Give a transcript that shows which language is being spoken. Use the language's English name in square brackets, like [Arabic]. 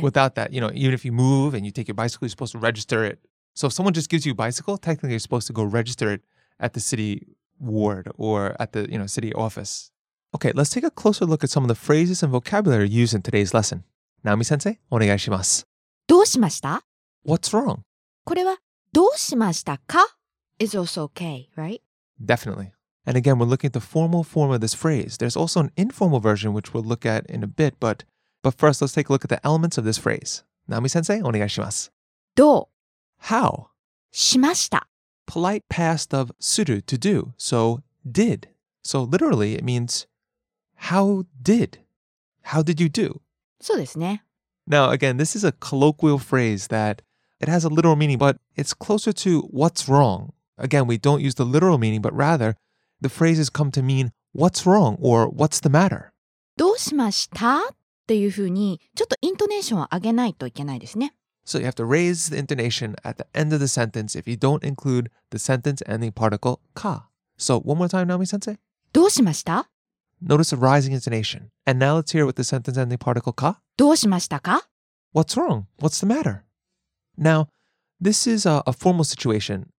[English] Without that, you know, even if you move and you take your bicycle, you're supposed to register it. So if someone just gives you a bicycle, technically you're supposed to go register it at the city ward or at the, you know, city office. Okay, let's take a closer look at some of the phrases and vocabulary used in today's lesson. [Japanese] Naomi-sensei, お願いします。どうしました? [English] What's wrong? [Japanese] これはどうしましたか? [English] is also okay, right? Definitely. And again, we're looking at the formal form of this phrase. There's also an informal version which we'll look at in a bit, but first let's take a look at the elements of this phrase. Naomi-sensei, お願いします。 [Japanese] どう? [English] How? [Japanese] しました。 [English] Polite past of する, to do, so did. So literally, it means how did you do? [Japanese] そうですね。 [English] Now, again, this is a colloquial phrase that it has a literal meaning, but it's closer to what's wrong. Again, we don't use the literal meaning, but rather the phrase has come to mean what's wrong or what's the matter. [Japanese] どうしました? っていうふうにちょっとイントネーションを上げないといけないですね。 [English] So you have to raise the intonation at the end of the sentence if you don't include the sentence ending particle か. So one more time, Naomi-sensei. [Japanese] どうしました? [English] Notice a rising intonation. And now let's hear with the sentence ending particle か. [Japanese] どうしましたか? [English] What's wrong? What's the matter? Now, this is a formal situation.